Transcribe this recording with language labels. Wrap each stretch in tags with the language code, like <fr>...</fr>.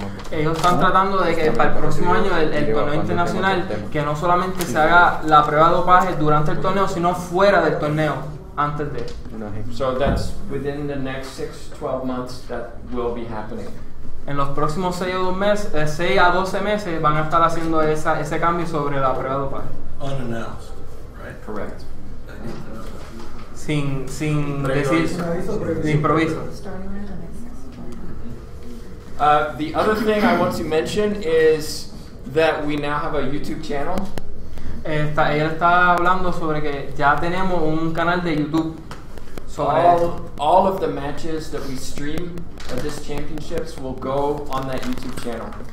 <es>Ellos están tratando de que para el próximo año el torneo internacional, que no solamente se haga la prueba de dopaje durante el torneo, sino fuera del torneo. Antes de.</es> <en>So that's within the next 6-12 months that will be happening.</en> <es>En los próximos 6 a 12 meses van a estar haciendo ese cambio sobre la prueba de dopaje.</es> <en>Unannounced, right? Correct.</en> <es>Sin decir, improviso.</es> <en>The other thing I want to mention is that we now have a YouTube channel.</en> <es>Él está hablando sobre que ya tenemos un canal de YouTube.</es> <en>All of the matches that we stream at this championships will go on that YouTube channel.</en>